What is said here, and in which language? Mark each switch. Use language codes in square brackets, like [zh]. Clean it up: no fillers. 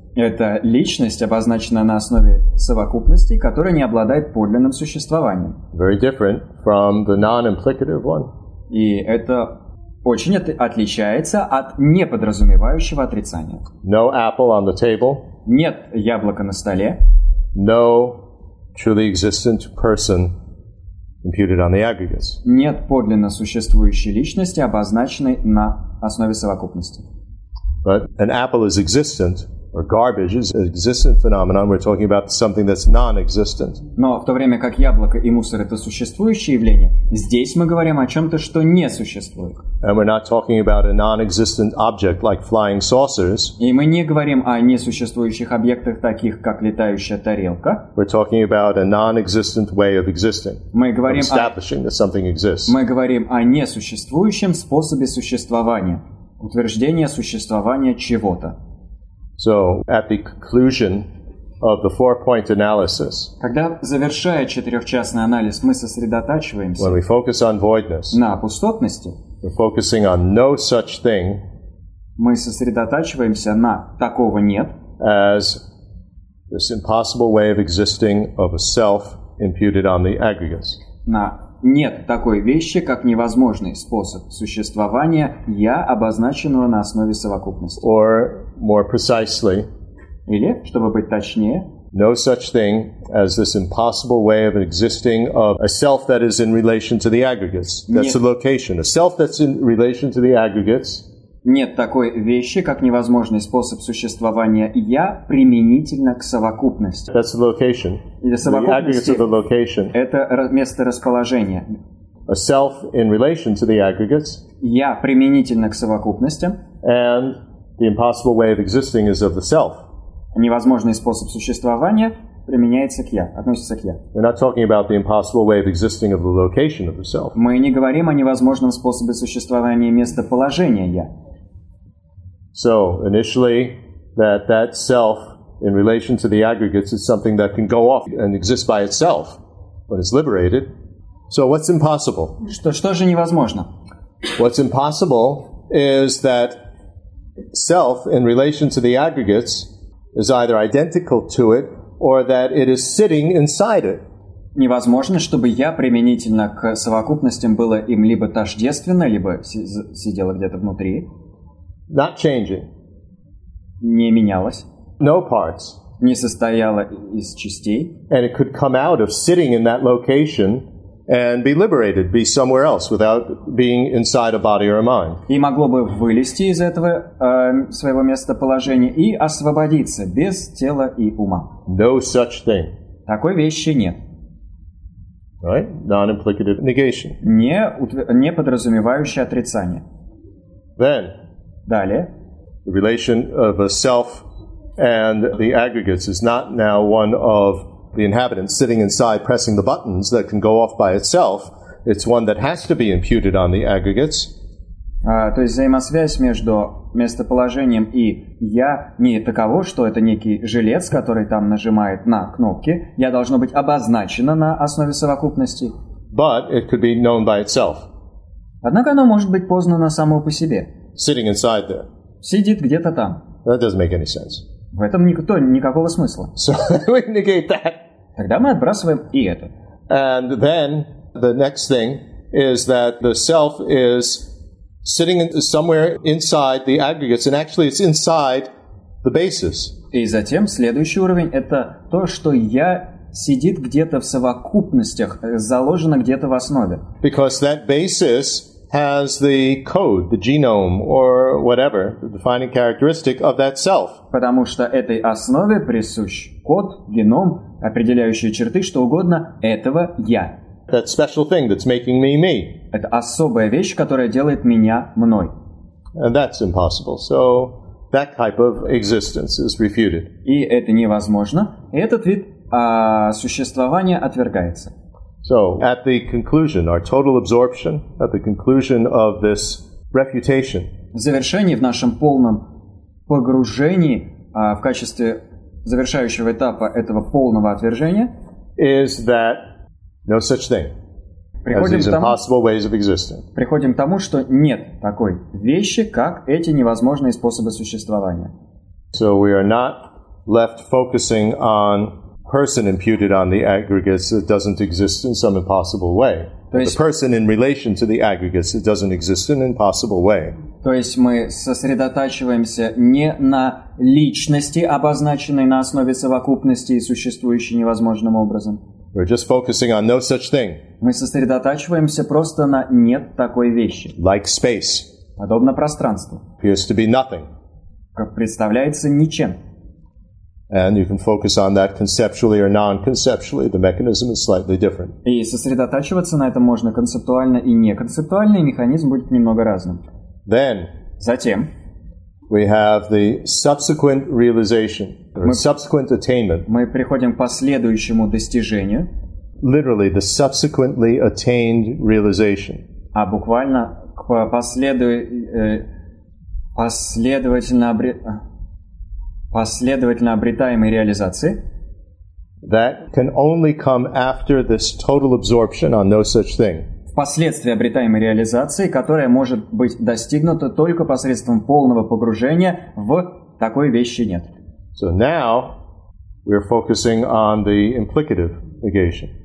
[ru] Это личность, обозначенная на основе совокупностей, которая не обладает подлинным существованием. [en] Very different from the non-implicative one. [ru] И это очень отличается от неподразумевающего отрицания. [en] No apple on the table. [ru] Нет яблока на столе. [en] No truly existent person imputed on the aggregates. [ru] Нет подлинно существующей личности, обозначенной на основе совокупности. [en] But an apple is existent, or garbage is an existent phenomenon. We're talking about something that's non-existent. [ru] Но в то время как яблоко и мусор это существующие явления, здесь мы говорим о чем-то, что не существует. [en] And we're not talking about a non-existent object like flying saucers. [ru] И мы не говорим о несуществующих объектах, таких как летающая тарелка. [en] We're talking about a non-existent way of existing. [ru] Мы говорим [en] of establishing that something exists. [ru] Мы говорим о несуществующем способе существования, утверждение существования чего-то. [en] So, at the conclusion of the four-point analysis, [ru] когда завершая четырехчастный анализ, мы сосредотачиваемся, [en] when we focus on voidness, [ru] на пустотности, [en] we're focusing on no such thing, [ru] мы сосредотачиваемся на такого нет, [en] as this impossible way of existing of a self imputed on the aggregates. [ru] На нет такой вещи, как невозможный способ существования я, обозначенного на основе совокупности. [en] Or more precisely, [ru] или, чтобы быть точнее, [en] no such thing as this impossible way of existing of a self that is in relation to the aggregates. That's the location. A self that's in relation to the aggregates. [ru] Нет такой вещи, как невозможный способ существования я применительно к совокупности. [en] That's the location. [ru] Для совокупности, [en] the aggregates of the location. [ru] Это место расположения. [en] A self in relation to the aggregates. [ru] Я применительно к совокупности. [en] And the impossible way of existing is of the self. [ru] Невозможный способ существования применяется к я, относится к я. [en] We're not talking about the impossible way of existing of the location of the self. [ru] Мы не говорим о невозможном способе существования местоположения я. [en] So, initially, that self in relation to the aggregates is something that can go off and exist by itself when it's liberated. So, what's impossible? [ru] Что же невозможно? [en] What's impossible is that self in relation to the aggregates is either identical to it or that it is sitting inside it. [ru] Невозможно, чтобы я применительно к совокупностям было им либо тождественно, либо сидело где-то внутри. [en] Not changing. [ru] Не менялось. [en] No parts. [ru] Не состояло из частей. [en] And it could come out of sitting in that location and be liberated, be somewhere else, without being inside a body or a mind. [ru] И могло бы вылезти из этого своего местоположения и освободиться без тела и ума. [en] No such thing. [ru] Такой вещи нет. [en] Right? Non-implicative negation. [ru] Не подразумевающее отрицание. [en] Then. [ru] Далее. [en] The relation of a self and the aggregates is not now one of the inhabitant sitting inside pressing the buttons that can go off by itself. It's one that has to be imputed on the aggregates. [ru] То есть взаимосвязь между местоположением и я не таково, что это некий жилец, который там нажимает на кнопки. Я должно быть обозначено на основе совокупности. [en] But it could be known by itself. [ru] Однако оно может быть познано само по себе. [en] Sitting inside there. [ru] Сидит где-то там. [en] That doesn't make any sense. [ru] В этом никакого смысла. [en] So we negate that. [ru] Тогда мы отбрасываем и это. [en] And then the next thing is that the self is sitting somewhere inside the aggregates, and actually it's inside the basis. [ru] И затем следующий уровень — это то, что я сидит где-то в совокупностях, заложена где-то в основе. [en] Because that basis has the code, the genome, or whatever, the defining characteristic of that self. [ru] Потому что этой основе присущ код, геном, определяющие черты, что угодно, этого я. [en] That special thing that's making me me. [ru] Это особая вещь, которая делает меня мной. [en] And that's impossible. So that type of existence is refuted. [ru] И это невозможно. И этот вид существования отвергается. [en] So at the conclusion, our total absorption, at the conclusion of this refutation. [ru] В завершении, в нашем полном погружении, в качестве завершающего этапа этого полного отвержения, [en] is that no such thing. [ru] Приходим к тому, что нет такой вещи, как эти невозможные способы существования. [en] So we are not left focusing on person imputed on the aggregates that doesn't exist in some impossible way. The person in relation to the aggregates that doesn't exist in an impossible way. [ru] То есть мы сосредотачиваемся не на личности, обозначенной на основе совокупности и существующей невозможным образом. [en] We're just focusing on no such thing. [ru] Мы сосредотачиваемся просто на нет такой вещи. [en] Like space. [ru] Подобно пространству. [en] Appears to be nothing. [ru] Как представляется ничем. [en] And you can focus on that conceptually or non-conceptually. The mechanism is slightly different. [ru] И сосредотачиваться на этом можно концептуально и неконцептуально, и механизм будет немного разным. [en] Then. [ru] Затем. [en] We have the subsequent realization, subsequent attainment. [ru] Мы приходим к последующему достижению. [en] Literally, the subsequently attained realization. [ru] А буквально к последовательно обретаемой реализации. [en] That can only come after this total absorption on no such thing. [ru] Впоследствии обретаемой реализации, которая может быть достигнута только посредством полного погружения в такой вещи нет. [en] So now we're focusing on the implicative negation.